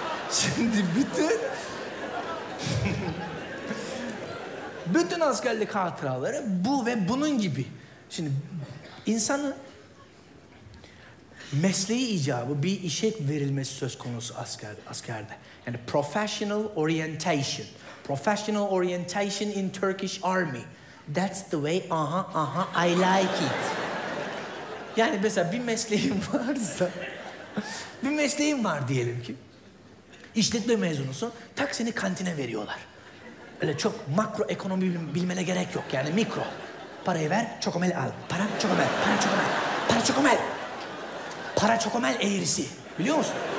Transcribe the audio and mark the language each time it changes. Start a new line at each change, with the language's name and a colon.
Turkish: Şimdi bütün... bütün askerlik hatıraları bu ve bunun gibi. Şimdi insanın mesleği icabı bir işe verilmesi söz konusu askerde. Yani
English: professional orientation. Professional orientation in Turkish Army. That's the way, aha, aha, I like it.
Turkish: Yani mesela bir mesleğin varsa, bir mesleğin var diyelim ki, işletme mezunusun, tak seni kantine veriyorlar. Öyle çok makro ekonomi bilmene gerek yok yani mikro. Parayı ver, çokomel al. Para çokomel, para çokomel, para çokomel. Para çokomel eğrisi, biliyor musun?